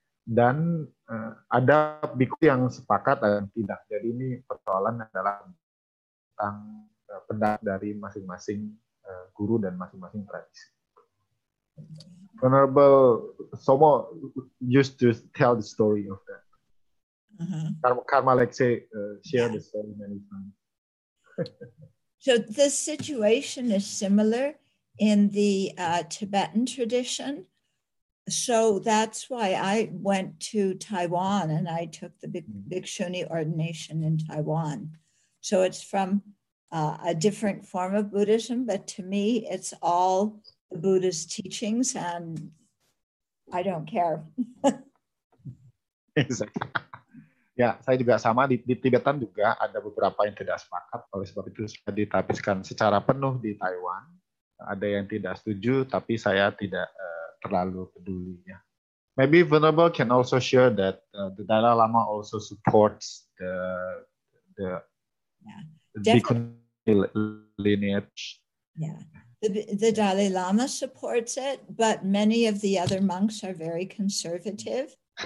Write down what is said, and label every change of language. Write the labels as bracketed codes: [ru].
[id] Dan ada biku yang sepakat dan tidak. Jadi ini persoalan adalah tentang pendapat dari masing-masing guru dan masing-masing tradisi. [en] Venerable Somo used to tell the story of that. Uh-huh. Karma Lekse shared the story many times. So the situation is similar in the Tibetan tradition. So that's why I went to Taiwan and I took the Bhikshuni ordination in Taiwan. So it's from a different form of Buddhism, but to me, it's all the Buddha's teachings, and I don't care. [id] Exactly. Ya, saya juga sama di Tibetan juga ada beberapa yang tidak sepakat, oleh sebab itu saya ditapiskan secara penuh di Taiwan. Ada yang tidak setuju, tapi saya tidak terlalu pedulinya. [en] Maybe Venerable can also share that the Dalai Lama also supports the Bhikkhu lineage. Yeah, the Dalai Lama supports it, but many of the other monks are very conservative.